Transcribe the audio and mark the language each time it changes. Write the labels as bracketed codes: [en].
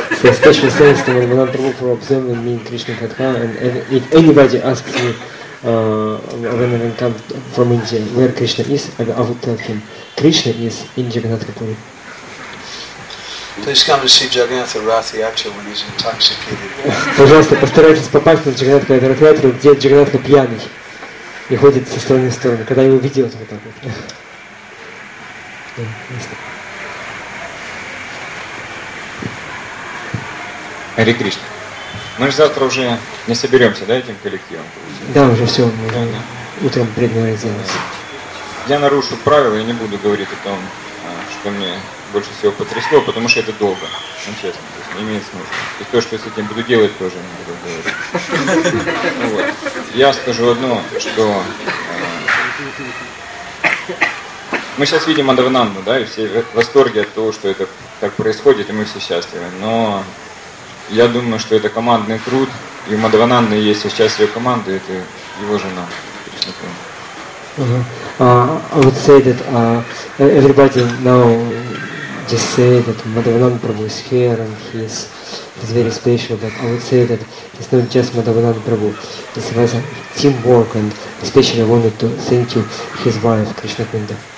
[en] So special thanks to Madam Prabhu for observing me in Krishna Katha. And if anybody asks me when I come from India, where Krishna is, I will tell him, Krishna is in Jagannatha Puri. Please come and see Jagannatha Rathyatra when he's intoxicated. [ru] Пожалуйста, постарайтесь попасть на Джаганатху Рататру, где Джаганатха пьяный и ходит со стороны в сторону, когда его видят вот так вот. [en] Hare Krishna. [ru] Мы же завтра уже не соберемся, да, этим коллективом? Да, уже все, мы уже утром предварительно. Я нарушу правила и не буду говорить о том, что мне больше всего потрясло, потому что это долго, честно, то есть не имеет смысла. И то, что я с этим буду делать, тоже не буду говорить. Я скажу одно, что... мы сейчас видим Адавананду, да, и все в восторге от того, что это так происходит, и мы все счастливы. Но я думаю, что это командный труд, и у Адавананды есть сейчас ее команда, и это его жена. [en] I would say that everybody now just say that Madhavananda Prabhu is here and he is very special, but I would say that it's not just Madhavananda Prabhu, it's a teamwork, and especially I wanted to thank you, his wife, Krishna Kunda.